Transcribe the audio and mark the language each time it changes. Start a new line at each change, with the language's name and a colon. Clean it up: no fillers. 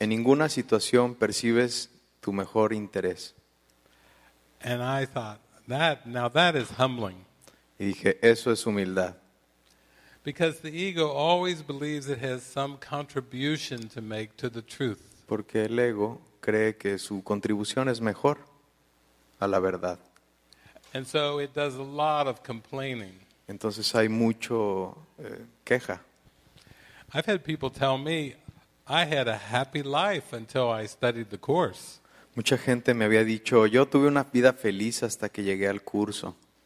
Spanish: En ninguna situación percibes tu mejor interés.
English: And I thought, now that is humbling.
Spanish: Y dije, eso es humildad.
English: Because the ego always believes it has some contribution to make to the truth.
Spanish: Porque el ego cree que su contribución es mejor. a la verdad.
English: And so it does a lot of complaining.
Spanish: Entonces hay mucho queja.
English: I've had people tell me I had a happy life until I studied the course.
Spanish: Mucha gente me había dicho, yo tuve una vida feliz hasta que llegué al curso.